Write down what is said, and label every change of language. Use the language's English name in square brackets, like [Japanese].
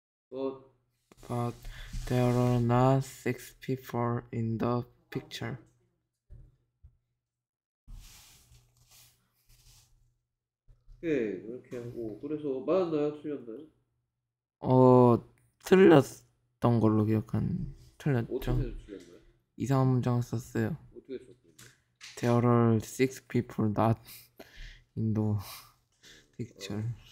[English] But there are not six people in the picture. [Korean] 예, 이렇게 하고 그래서 맞았나요? 틀렸나요? 틀렸던 걸로 기억하는 틀렸죠. 어떻게 해서 틀렸나요? 이상한 문장을 썼어요. 어떻게 해서 [English] There are six people not in the picture.